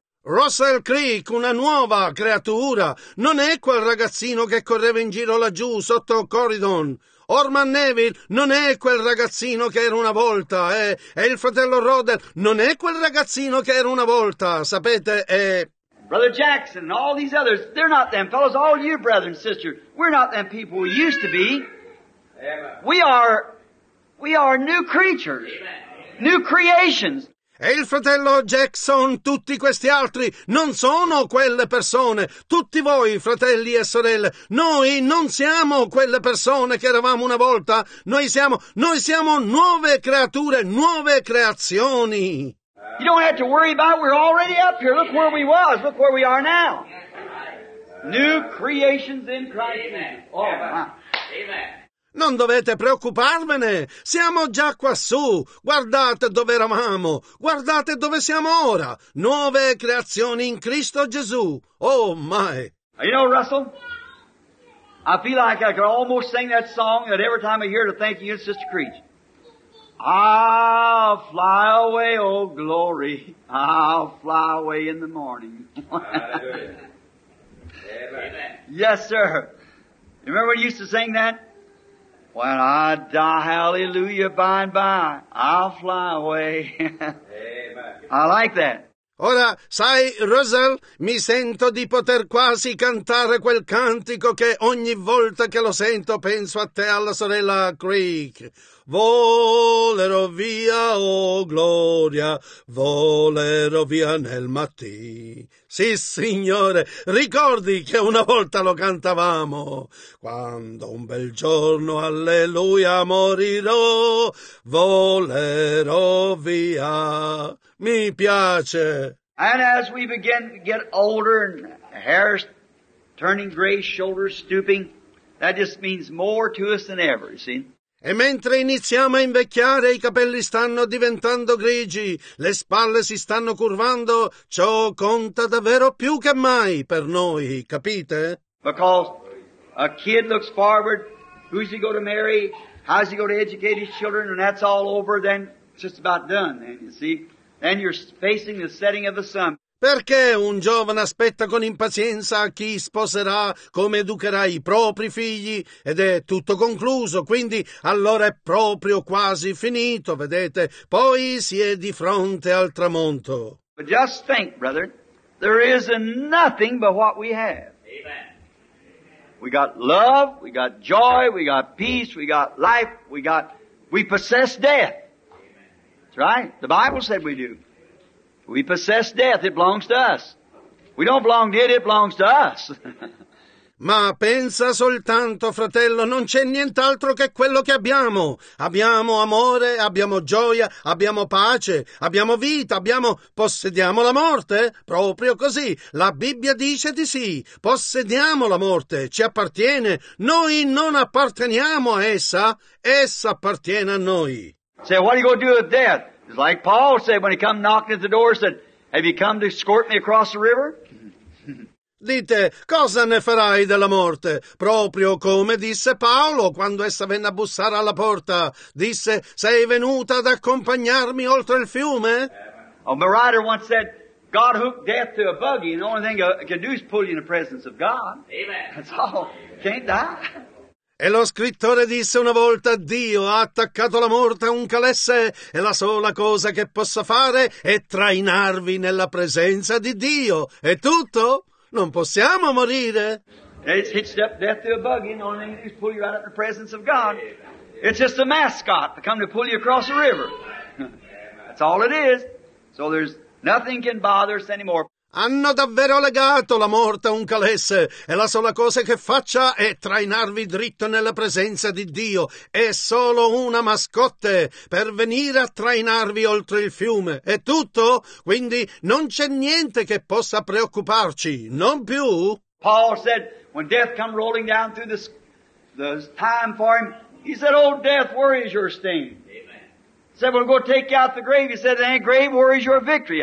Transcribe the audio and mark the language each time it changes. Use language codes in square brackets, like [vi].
[it] Russell Creek, una nuova creatura. Non è quel ragazzino che correva in giro laggiù sotto Corridon. Orman Neville non è quel ragazzino che era una volta. E il fratello Roder non è quel ragazzino che era una volta, sapete? [en] Brother Jackson and all these others, they're not them fellows. All you, brother and sister, we're not them people we used to be. We are new creatures. New creations. [it] E il fratello Jackson, tutti questi altri, non sono quelle persone. Tutti voi, fratelli e sorelle, noi non siamo quelle persone che eravamo una volta. Noi siamo nuove creature, nuove creazioni. [en] You don't have to worry about it. We're already up here. Look where we was. Look where we are now. New creations in Christ. Amen. [it] Non dovete preoccuparvene, siamo già quassù, guardate dove eravamo, guardate dove siamo ora, nuove creazioni in Cristo Gesù, [en] oh my! You know, Russell, I feel like I could almost sing that song that every time I hear it, I thank you, Sister Creech. I'll fly away, oh glory, I'll fly away in the morning. Amen. Yes, sir. You remember when you used to sing that? When I die, hallelujah, by and by, I'll fly away. Amen. I like that. [it] Ora, sai, Russell, mi sento di poter quasi cantare quel cantico che ogni volta che lo sento penso a te, alla sorella Creek. Volerò via, oh gloria, volerò via nel mattino. Sì, signore, ricordi che una volta lo cantavamo? Quando un bel giorno, alleluia, morirò, volerò via. Mi piace. [en] And as we begin to get older and hair turning gray, shoulders stooping, that just means more to us than ever, you see? [it] E mentre iniziamo a invecchiare, i capelli stanno diventando grigi, le spalle si stanno curvando, ciò conta davvero più che mai per noi, capite? [en] Because a kid looks forward, who's he going to marry, how's he going to educate his children, and that's all over, then it's just about done, then, you see? Then you're facing the setting of the sun. [it] Perché un giovane aspetta con impazienza chi sposerà, come educherà i propri figli, ed è tutto concluso, quindi allora è proprio quasi finito, vedete? Poi si è di fronte al tramonto. [en] But just think, brother, there is nothing but what we have. Amen. We got love, we got joy, we got peace, we got life, we possess death. Amen. That's right. The Bible said we do. We possess death, it belongs to us. We don't belong to it belongs to us. [it] Ma pensa soltanto, fratello, non c'è nient'altro che quello che abbiamo. Abbiamo amore, abbiamo gioia, abbiamo pace, abbiamo vita, possediamo la morte? Proprio così. La Bibbia dice di sì. Possediamo la morte, ci appartiene. Noi non apparteniamo a essa, essa appartiene a noi. [en] So what are you going to do with death? It's like Paul said when he come knocking at the door, said, have you come to escort me across the river? [it] Dite, cosa ne farai della morte? Proprio come disse Paolo quando essa venne a bussare alla porta. Disse, sei venuta ad accompagnarmi oltre il fiume? [en] A writer once said, God hooked death to a buggy, and the only thing it can do is pull you in the presence of God. Amen. That's all. Can't die. [it] E lo scrittore disse una volta, Dio ha attaccato la morte a un calesse e la sola cosa che possa fare è trainarvi nella presenza di Dio. È tutto? Non possiamo morire? [en] It's hitched up death to a buggy, and the only thing you can do is pull you right out of the presence of God. It's just a mascot to come to pull you across the river. That's all it is. So there's nothing can bother us anymore. [it] Hanno davvero legato la morte a un calesse e la sola cosa che faccia è trainarvi dritto nella presenza di Dio. È solo una mascotte per venire a trainarvi oltre il fiume. È tutto? Quindi non c'è niente che possa preoccuparci, non più. [en] Paul said, when death come rolling down through the time for him, he said, oh, death, where is your sting? Amen. He said, well, go take out the grave. He said, and grave, where is your victory?